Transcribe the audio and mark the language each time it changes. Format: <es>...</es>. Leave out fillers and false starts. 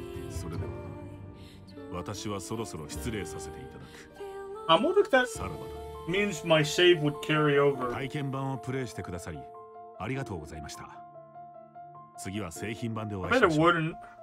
<ja>それでは私はそろそろ失礼させていただく。</ja> <en>I'm wondering if that means my save would carry over.</en> <ja>体験版をプレイしてくださりありがとうございました。次は製品版でお会いしましょう。</ja>